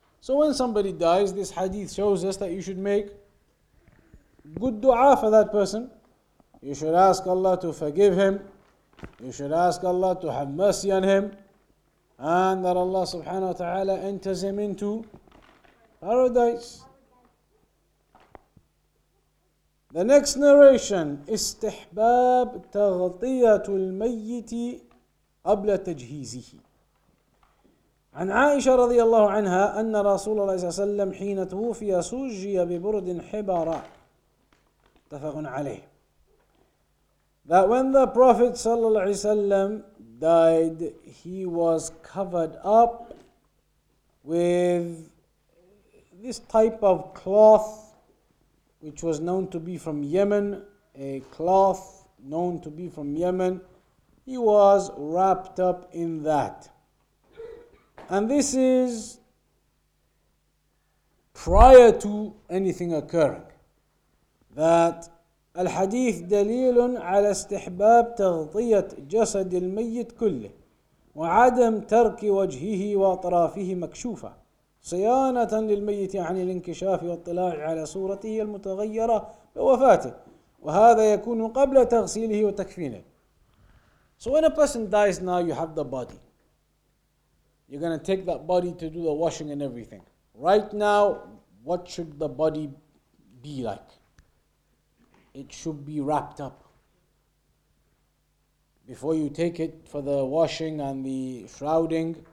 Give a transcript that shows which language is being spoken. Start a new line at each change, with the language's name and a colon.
English: So when somebody dies, this hadith shows us that you should make good dua for that person. You should ask Allah to forgive him. You should ask Allah to have mercy on him, and that Allah subhanahu wa ta'ala enters him into paradise. The next narration,
Arabic: استحباب تغطية الميت قبل تجهيزه. عن عائشة رضي الله عنها أن رسول الله صلى الله عليه وسلم حين توفي سجي ببرد حبارة اتفق عليه.
English: That when the Prophet ﷺ died, he was covered up with this type of cloth, which was known to be from Yemen, a cloth known to be from Yemen. He was wrapped up in that. And this is prior to anything occurring, that
Arabic: الحديث دليل على استحباب تغطية جسد الميت كله وعدم ترك وجهه وأطرافه مكشوفة صيانة للميت عن الانكشاف والطلاع على صورته المتغيرة بوفاته وهذا يكون قبل تغسيله وتكفينه.
English: So when a person dies now, you have the body. You're going to take that body to do the washing and everything. Right now, what should the body be like? It should be wrapped up before you take it for the washing and the shrouding.